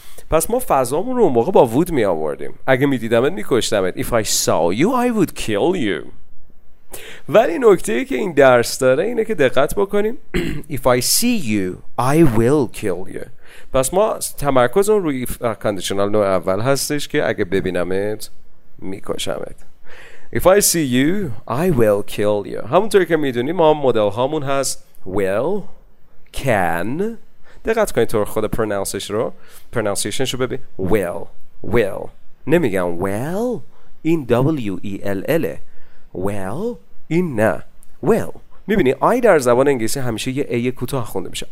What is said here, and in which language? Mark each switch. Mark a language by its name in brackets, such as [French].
[Persian] پس ما فضامون رو اون موقع با would میآوردیم، اگه میدیدمت میکشتمت، [English] if I saw you I would kill you. [Persian] ولی نکته ای که این درس داره اینه که دقت بکنیم [English] if I see you I will kill you. [Persian] پس ما تمرکزمون روی کندیشنال نوع اول هستش که اگه ببینمت میکشمت. [English] If I see you, I will kill you. [Persian] همونطور که میدونیم ما مدل هامون هست will, can. دقت کنید تو خود pronunciation شو ببین. Will. نمیگم well. این W-E-L-L. Well. این نه. Will. میبینی I در زبان انگلیسی همیشه یه A کوتاه خونده میشه.